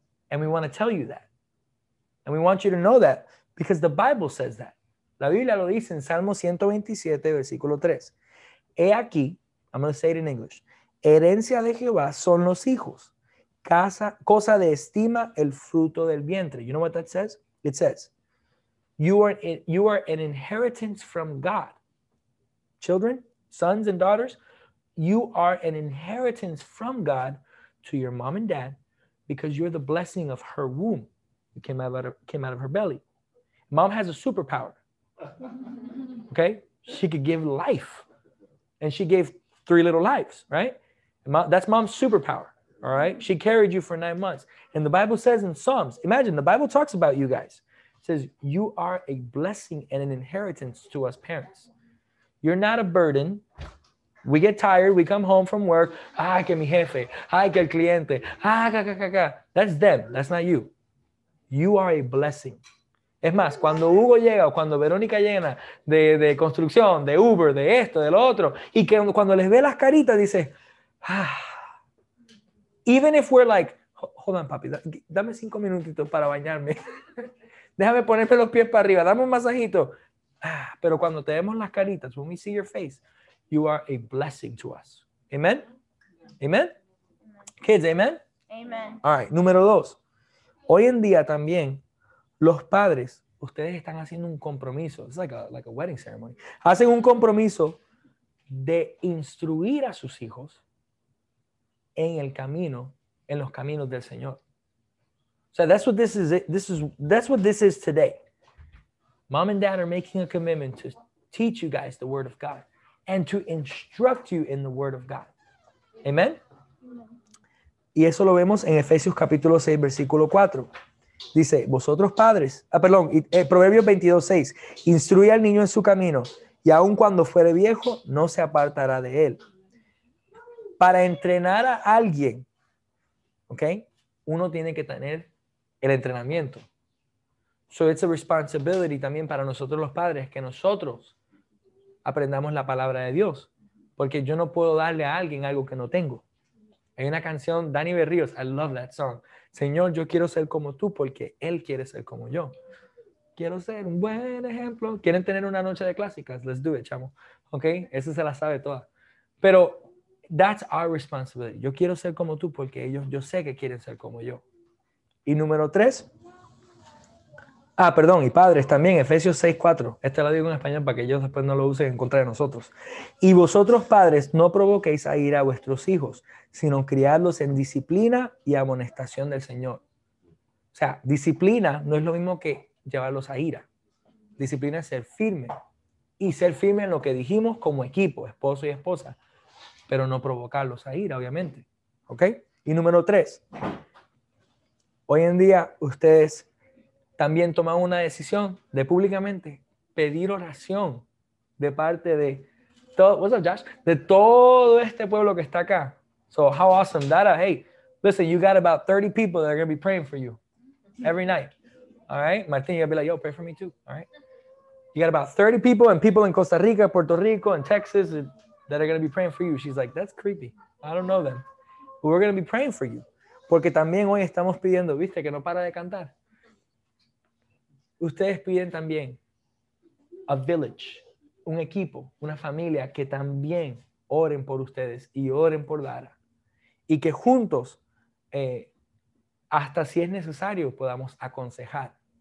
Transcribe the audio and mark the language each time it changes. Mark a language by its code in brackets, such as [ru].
[en] And we want to tell you that. And we want you to know that because the Bible says that. [es] La Biblia lo dice en Salmo 127, versículo 3. He aquí, [en] I'm going to say it in English. [es] Herencia de Jehová son los hijos. Casa, cosa de estima, el fruto del vientre. [en] You know what that says? It says, you are an inheritance from God. Children, sons and daughters, you are an inheritance from God to your mom and dad because you're the blessing of her womb. You came out of her belly. Mom has a superpower. Okay? She could give life. And she gave three little lives, right? That's mom's superpower. All right. She carried you for 9 months. And the Bible says in Psalms, imagine the Bible talks about you guys. It says you are a blessing and an inheritance to us parents. You're not a burden. We get tired. We come home from work. [es] Ay, que mi jefe. Ay, que el cliente. [en] Ay, ca, ca, ca, ca. That's them. That's not you. You are a blessing. [es] Es más, cuando Hugo llega o cuando Verónica llena de construcción, de Uber, de esto, de lo otro, y que cuando les ve las caritas, dice, ah, [en] even if we're like, hold on, [es] papi, dame 5 minutitos para bañarme. Déjame ponerme los pies para arriba, dame un masajito. Ah, pero cuando te vemos las caritas, [en] when we see your face, you are a blessing to us. Amen? Amen? Kids, amen? Amen. All right, [es] número dos. Hoy en día también, los padres, ustedes están haciendo un compromiso. [en] It's like a wedding ceremony. [es] Hacen un compromiso de instruir a sus hijos en el camino, en los caminos del Señor. [en] So that's what this is today. Mom and dad are making a commitment to teach you guys the word of God and to instruct you in the word of God. Amen? [es] Y eso lo vemos en Efesios capítulo 6, versículo 4. Dice, vosotros padres, Proverbios 22:6, instruye al niño en su camino, y aun cuando fuere viejo, no se apartará de él. Para entrenar a alguien, ¿ok? Uno tiene que tener el entrenamiento. [en] So it's a responsibility [es] también para nosotros los padres, que nosotros aprendamos la palabra de Dios, porque yo no puedo darle a alguien algo que no tengo. Hay una canción, Danny Berríos, [en] I love that song. [es] Señor, yo quiero ser como tú porque Él quiere ser como yo. Quiero ser un buen ejemplo. ¿Quieren tener una noche de clásicas? [en] Let's do it, [es] chamo. ¿Ok? Esa se la sabe toda. Pero [en] that's our responsibility. [es] Yo quiero ser como tú porque ellos, yo sé que quieren ser como yo. Y número tres. Ah, perdón. Y padres también. Efesios 6:4. Este lo digo en español para que ellos después no lo usen en contra de nosotros. Y vosotros, padres, no provoquéis a ira a vuestros hijos, sino criarlos en disciplina y amonestación del Señor. O sea, disciplina no es lo mismo que llevarlos a ira. Disciplina es ser firme. Y ser firme en lo que dijimos como equipo, esposo y esposa. Pero no provocarlos a ira, obviamente. ¿Ok? Y número tres. Hoy en día, ustedes también toman una decisión de públicamente pedir oración de parte de todo, [en] what's up, Josh? [es] De todo este pueblo que está acá. [en] So, how awesome. Dada, hey, listen, you got about 30 people that are going to be praying for you every night. All right? Martín, you're going to be like, yo, pray for me too. All right? You got about 30 people and people in Costa Rica, Puerto Rico, and Texas that are going to be praying for you. She's like, that's creepy. I don't know them. But we're going to be praying for you. [es] Porque también hoy estamos pidiendo, viste, que no para de cantar. Ustedes piden también a village, un equipo, una familia que también oren por ustedes y oren por Dara. Y que juntos, hasta si es necesario, podamos aconsejar.